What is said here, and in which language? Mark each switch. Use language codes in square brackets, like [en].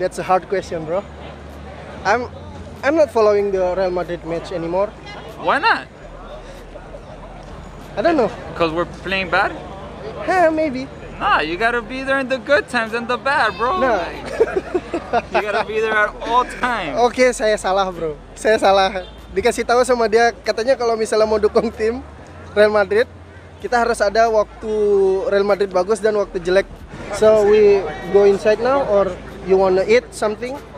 [en] That's a hard question, bro. I'm not following the Real Madrid match anymore. Why not? I don't know. Because we're playing bad? Yeah, maybe. Nah, you gotta be there in the good times and the bad, bro. No. You gotta be there at all times. [id] Okay, saya salah, bro. Saya salah. Dikasih tahu sama dia, katanya kalau misalnya mau dukung tim Real Madrid, kita harus ada waktu Real Madrid bagus dan waktu jelek. [en] So we go inside now, or you wanna eat something?